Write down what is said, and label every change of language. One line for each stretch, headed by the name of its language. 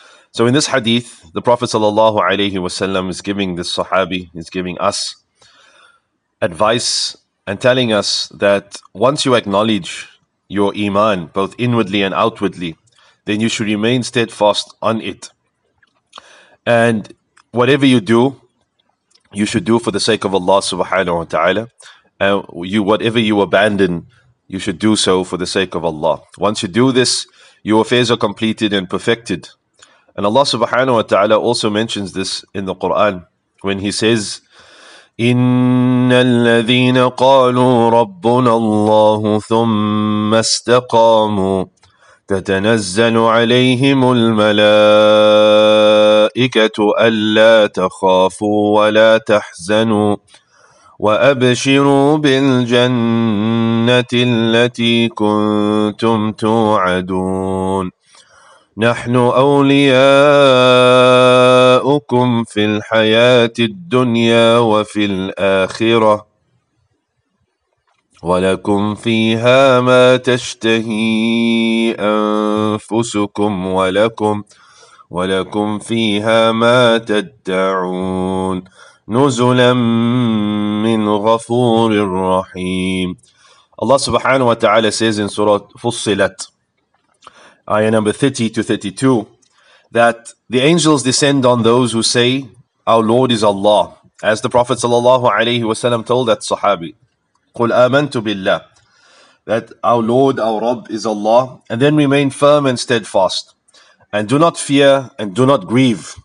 English: So in this hadith, the Prophet sallallahu alaihi wasallam is giving this sahabi, is giving us advice and telling us that once you acknowledge your iman, both inwardly and outwardly, then you should remain steadfast on it. And whatever you do, you should do for the sake of Allah subhanahu wa ta'ala. And whatever you abandon, you should do so for the sake of Allah. Once you do this, your affairs are completed and perfected. And Allah subhanahu wa ta'ala also mentions this in the Quran when he says,
Arabic: إِنَّ الَّذِينَ قَالُوا رَبُّنَا اللَّهُ ثُمَّ اسْتَقَامُوا تَتَنَزَّلُ عَلَيْهِمُ الْمَلَائِكَةُ أَلَّا تَخَافُوا وَلَا تَحْزَنُوا وَأَبْشِرُوا بِالْجَنَّةِ الَّتِي كُنْتُمْ تُوعَدُونَ نَحْنُ أَوْلِيَاؤُكُمْ فِي الْحَيَاةِ الدُّنْيَا وَفِي الْآخِرَةِ وَلَكُمْ فِيهَا مَا تَشْتَهِي أَنفُسُكُمْ وَلَكُمْ فِيهَا مَا تَدَّعُونَ نُزُلًا مِّنْ غَفُورٍ رَحِيمٍ.
English: Allah subhanahu wa ta'ala says in Surah Fussilat, Ayah number 30 to 32, that the angels descend on those who say, our Lord is Allah. As the Prophet sallallahu alayhi wa sallam told that sahabi,
Arabic: قُلْ آمَنْتُ بِاللَّهِ,
English: that our Lord, our Rabb is Allah, and then remain firm and steadfast, and do not fear and do not grieve.